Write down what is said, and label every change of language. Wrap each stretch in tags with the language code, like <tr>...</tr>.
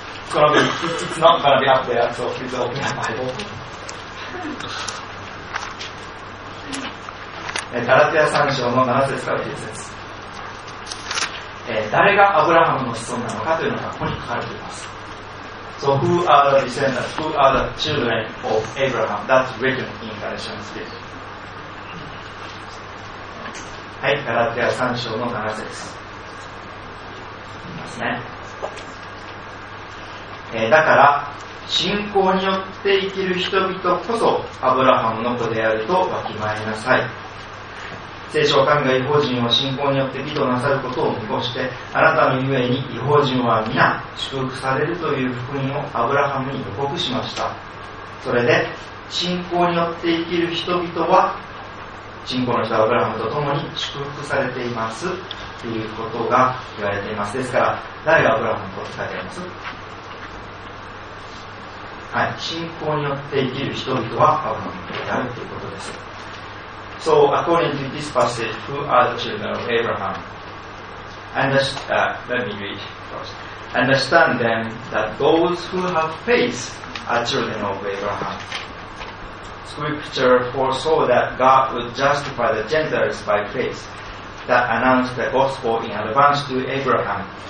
<en>It's gonna be, it's not gonna be up there, so please open the Bible.</en> <ja>ガラテア3章の7節から9節、誰がアブラハムの子孫なのかというのがここに書かれています。</ja> <en>So who are the descendants, who are the children of Abraham? That's written in Galatians 3.</en> <ja>はい、ガラテア3章の7節。いますね。だから、信仰によって生きる人々こそアブラハムの子であるとわきまえなさい。聖書は神が異邦人を信仰によって義となさることを見越して、あなたのゆえに異邦人は皆祝福されるという福音をアブラハムに予告しました。それで信仰によって生きる人々は信仰の人アブラハムと共に祝福されていますということが言われています。ですから誰がアブラハムと書いてあります？はい、信仰によって生きる人々はアブラハムであるということです。</ja> <en>So according to this passage, who are the children of Abraham? Let me read first. Understand then that those who have faith are children of Abraham. Scripture foresaw that God would justify the Gentiles by faith, that announced the gospel in advance to Abraham.</en>